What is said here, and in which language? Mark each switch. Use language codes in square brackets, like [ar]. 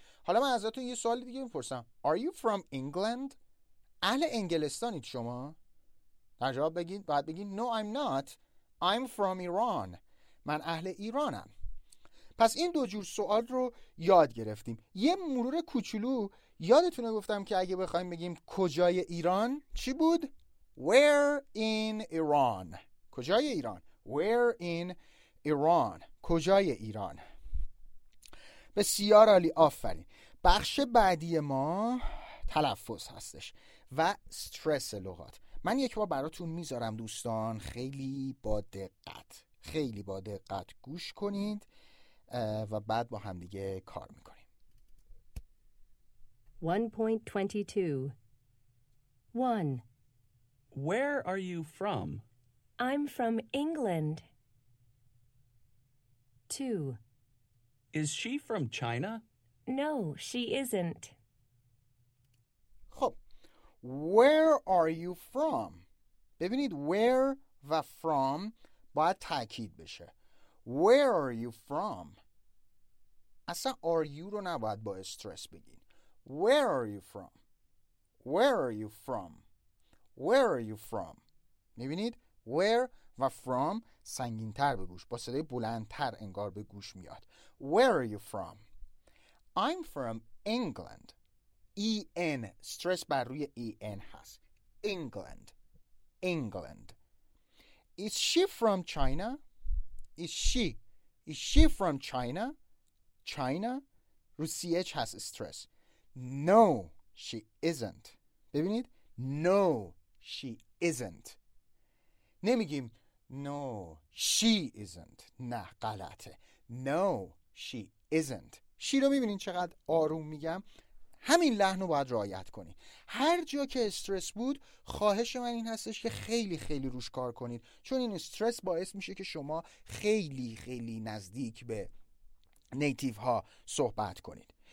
[fa] حالا من ازتون یه سوال دیگه میپرسم، [en] are you from England؟ [fa] اهل انگلستانید شما؟ در جواب بگین، باید بگین [en] no I'm not، I'm from Iran، [fa] من اهل ایرانم. پس این دو جور سوال رو یاد گرفتیم. یه مرور کوچولو یادتونه گفتم که اگه بخوایم بگیم کجای ایران چی بود؟ [en] Where in Iran. [fa] کجای ایران؟ [en] Where in Iran. [fa] کجای ایران. بسیار عالی، آفرین. بخش بعدی ما تلفظ هستش و استرس لغات. من یک بار براتون میذارم دوستان، خیلی با دقت، خیلی با دقت گوش کنید و بعد با هم دیگه کار میکنیم. 1.22 1. [en] Where are you from? I'm from England. 2. Is she from China? No, she isn't. خب Where are you from? [fa] ببینید where و from باید تأکید بشه. [en] Where are you from? [fa] اصلا [en] are you [fa] رو نباید با استرس بگین. [en] Where are you from? Where are you from? Where are you from? [fa] میبینید where و from سنگین تر به گوش، با صدای بلند تر انگار به گوش میاد. [en] Where are you from? I'm from England. [fa] EN استرس بر روی EN هست. [en] England. England. Is she from China? Is she from China? [fa] China رو CH هست استرس. [en] No, she isn't. [fa] ببینید [en] No, she isn't. [fa] نمیگیم [en] No, she isn't. [fa] نه غلطه. [en] No, she isn't. [fa] شی رو میبینید چقدر آروم میگم؟ همین لحن رو باید رعایت کنی. هر جا که استرس بود خواهش من این هستش که خیلی خیلی روش کار کنید، چون این استرس باعث میشه که شما خیلی خیلی نزدیک به نیتیف ها صحبت کنید.